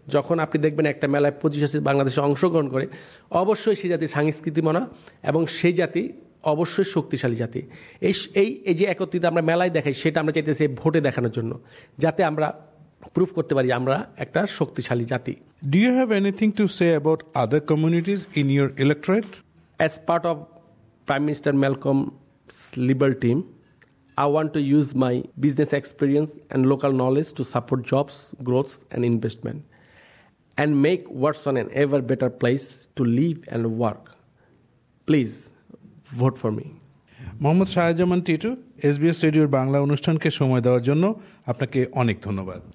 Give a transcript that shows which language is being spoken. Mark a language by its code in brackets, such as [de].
[bn] যখন আপনি দেখবেন একটা মেলায় 25,000 বাংলাদেশি অংশগ্রহণ করে, অবশ্যই সেই জাতি সাংস্কৃতিমনা এবং সেই জাতি অবশ্যই শক্তিশালী জাতি। এই যে একত্রিত আমরা মেলায় দেখাই, সেটা আমরা চাইতেছি ভোটে দেখানোর জন্য, যাতে আমরা প্রুফ করতে পারি আমরা একটা শক্তিশালী জাতি। [en] Do you have anything to say about other communities in your electorate? As part of Prime Minister Malcolm's Liberal team, I want to use my business experience and local knowledge to support jobs, growth and investment and make Watson an ever better place to live and work. Please vote for me. [bn] Mohammad Shahzaman Titu, SBS রেডিওর বাংলা অনুষ্ঠানকে সময় দেওয়ার জন্য আপনাকে অনেক ধন্যবাদ।